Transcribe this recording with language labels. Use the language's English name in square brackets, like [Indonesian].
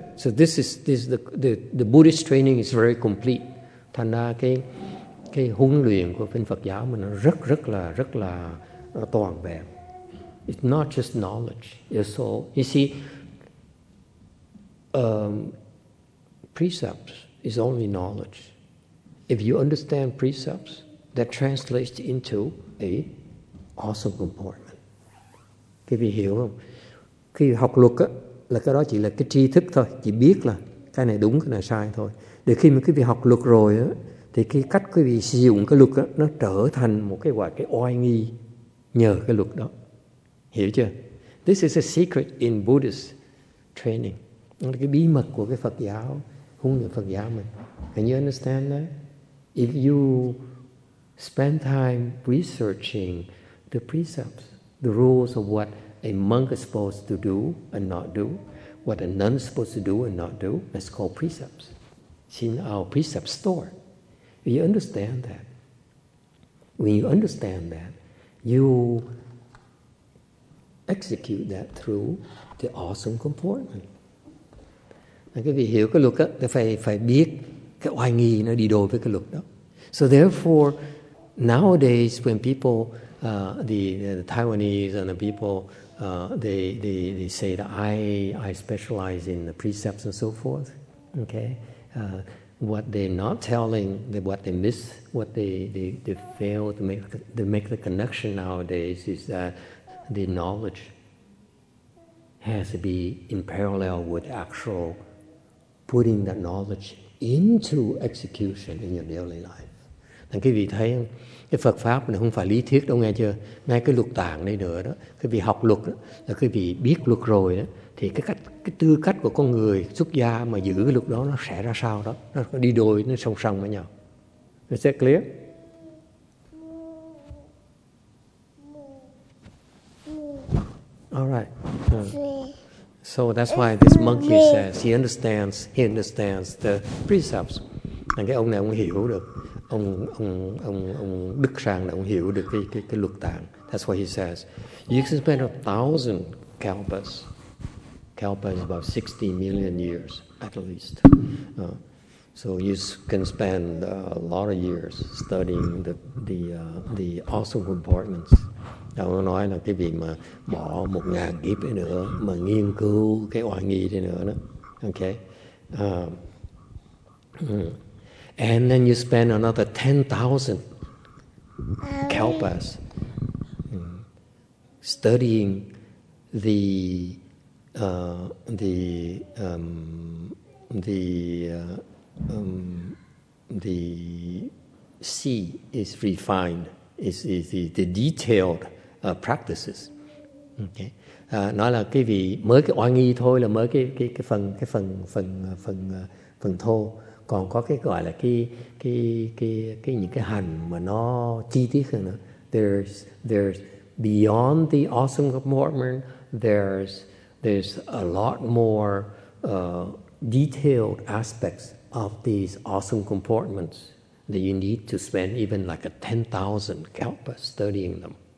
[English] So this is the Buddhist training is very complete. [Vietnamese] Thành ra cái huấn luyện của bên Phật giáo mình nó rất là toàn vẹn. [English] It's not just knowledge. It's all. You see, precepts is only knowledge. If you understand precepts, that translates into a awesome comportment. [Vietnamese] Quý vị hiểu không? Khi học luật á, là cái đó chỉ là cái tri thức thôi, chỉ biết là cái này đúng, cái này sai thôi. Để khi mà quý vị học luật rồi á, thì cái cách quý vị sử dụng cái luật á, nó trở thành một cái quả cái oai nghi nhờ cái luật đó. Hiểu chưa? [English] This is a secret in Buddhist training. [Vietnamese] Là cái bí mật của cái Phật giáo, huấn luyện Phật giáo mình. [English] Can you understand that? If you spend time researching the precepts, the rules of what a monk is supposed to do and not do, what a nun is supposed to do and not do, that's called precepts. It's in our precept store. If you understand that, when you understand that, you execute that through the awesome comportment. [Vietnamese] Cái vị hiểu cái luật đó, phải biết cái oai nghi nó đi đôi với cái luật đó. [English] So therefore, nowadays when people, the Taiwanese and the people, they say that I specialize in the precepts and so forth. Okay. What they're not telling, what they miss, what they fail to make the connection nowadays is that the knowledge has to be in parallel with actual putting that knowledge into execution in your daily life. [Vietnamese] Thành quý vị thấy cái Phật pháp này không phải lý thuyết đâu, nghe chưa? Ngay cái luật tạng đây nữa đó, quý vị học luật đó, là quý vị biết luật rồi đó, thì cái cách, cái tư cách của con người xuất gia mà giữ cái luật đó nó sẽ ra sao đó, nó đi đôi, nó song song với nhau. [English] Is that clear? All right. So that's why this monkey says he understands the precepts. [Vietnamese] Cái ông này ông hiểu được. Ông Đức Sàng là ông hiểu được cái luật tạng. [English] That's what he says. You can spend 1,000 kalpas. Kalpa is about 60 million years at least. So you can spend a lot of years studying the awesome compartments. [Vietnamese] Đâu có nói là cái gì mà bỏ 1,000 kiếp nữa mà nghiên cứu cái oai nghi thế nữa đó. [English] Okay. And then you spend another 10,000 kalpas studying the sea is refined, is the detailed practices. Okay. [Vietnamese] Nói là cái vị mới cái oai nghi thôi là mới cái phần thô. Còn có cái gọi là cái những cái hành mà nó chi tiết hơn nữa. [English] There's beyond the awesome compartment, there's a lot more detailed aspects of these awesome compartments that you need to spend even like a 10,000 kalpa studying them.